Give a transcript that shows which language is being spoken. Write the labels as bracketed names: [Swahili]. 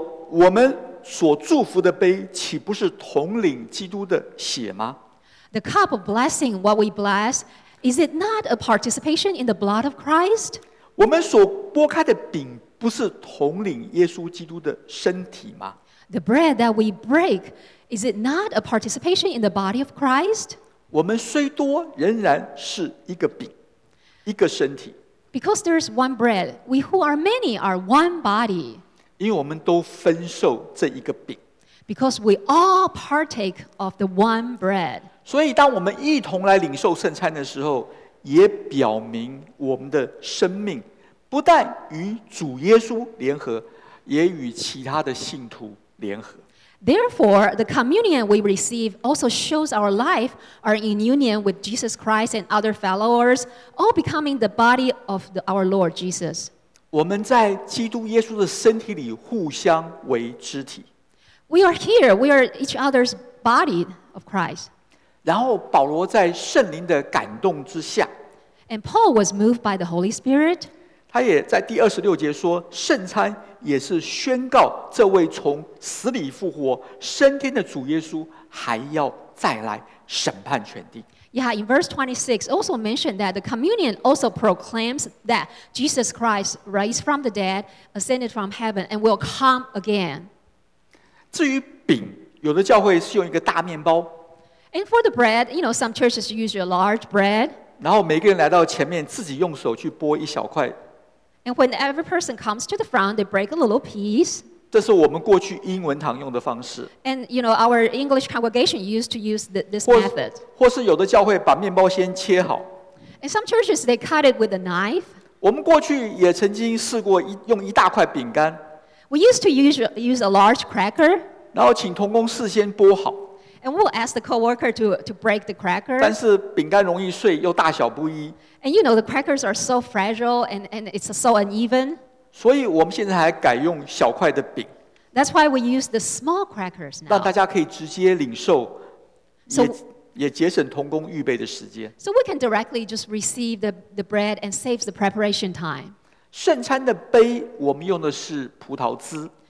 [Chinese] 我们所祝福的杯，岂不是统领基督的血吗？ [English] The cup of blessing, what we bless, is it not a participation in the blood of Christ? [Chinese] 我们所擘开的饼，不是统领耶稣基督的身体吗？ [English] The bread that we break, is it not a participation in the body of Christ? [Chinese] 我们虽多，仍然是一个饼，一个身体。 [English] Because there is one bread, we who are many are one body. [Chinese] 因为我们都分受这一个饼。 [English] Because we all partake of the one bread. [Chinese] 所以当我们一同来领受圣餐的时候，也表明我们的生命不但与主耶稣联合，也与其他的信徒联合。 [English] Therefore, the communion we receive also shows our life are in union with Jesus Christ and other followers, all becoming the body of our Lord Jesus. [Chinese] 我们在基督耶稣的身体里互相为肢体。 [English] We are here. We are each other's body of Christ. [Chinese] 然后保罗在圣灵的感动之下， [English] And Paul was moved by the Holy Spirit. [Chinese] 他也在第二十六节说，圣餐也是宣告这位从死里复活升天的主耶稣还要再来审判全地。 [English] Yeah, in verse 26, also mentioned that the communion also proclaims that Jesus Christ raised from the dead, ascended from heaven, and will come again. [Chinese] 至于饼，有的教会是用一个大面包。 [English] And for the bread, you know, some churches use a large bread. [Chinese] 然后每个人来到前面，自己用手去剥一小块。 [English] And when every person comes to the front, they break a little piece. [Chinese] 这是我们过去英文堂用的方式。 [English] And you know, our English congregation used to use this method. [Chinese] 或是有的教会把面包先切好。 [English] And some churches they cut it with a knife. [Chinese] 我们过去也曾经试过用一大块饼干。 [English] We used to use a large cracker. [Chinese] 然后请同工事先剥好。 [English] And we'll ask the coworker to break the cracker. [Chinese] 但是饼干容易碎，又大小不一。 [English] And you know the crackers are so fragile and it's so uneven. [Chinese] 所以我们现在还改用小块的饼。 [English] That's why we use the small crackers now. [Chinese] 让大家可以直接领受，也节省同工预备的时间。 [English] So we can directly just receive the bread and saves the preparation time. [Chinese] 圣餐的杯我们用的是葡萄汁。